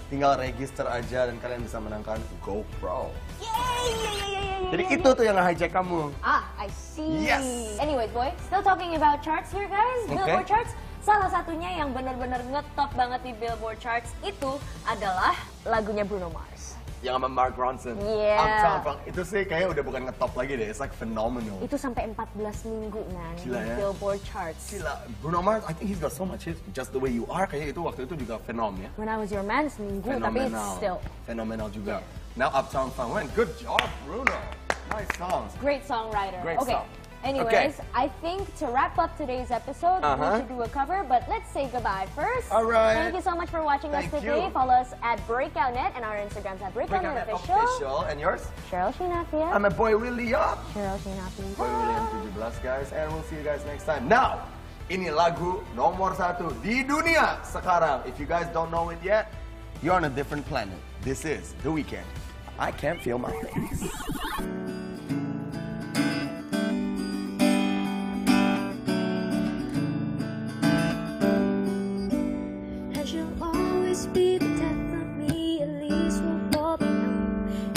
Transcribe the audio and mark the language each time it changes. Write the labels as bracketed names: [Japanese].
[Indonesian] Tinggal register aja dan kalian bisa menangkan GoPro. Yay! Itu tuh yang nge-hijack kamu. [English] Ah, I see. Yes. Anyways, boy, still talking about charts here, guys. Billboard charts. [Indonesian] Salah satunya yang benar-benar ngetop banget di Billboard charts itu adalah lagunya Bruno Mars. Yang sama Mark Ronson. [English] Yeah. [Indonesian] Itu sih kayaknya udah bukan ngetop lagi deh. [English] It's like phenomenal. [Indonesian] Itu sampai 14 minggu, man. Gila, ya? Billboard charts. Gila. [English] Bruno Mars, I think he's got so much hits. Just the way you are. [Indonesian] Kayaknya itu waktu itu juga fenomenal. [English] When I was your man, [Indonesian] seminggu, tapi [English] still. Phenomenal juga. Yeah. Now Uptown Funk went. Good job, Bruno. Nice songs. Great songwriter. Great song. Anyways, I think to wrap up today's episode, we should do a cover, but let's say goodbye first. All right. Thank you so much for watching us today. Follow us at BreakoutNet and our Instagrams at BreakoutNetOfficial. And yours? Cheryl Shinafia. I'm a boy, Willie Up. Cheryl Shinafia. Boy, Willie Up. Thank you, bless guys. And we'll see you guys next time. [Indonesian] Now, ini lagu nomor satu di dunia sekarang. [English] If you guys don't know it yet, you're on a different planet. This is The Weeknd. I can't feel my face. And you'll always be the death of me, at least we'll fall down.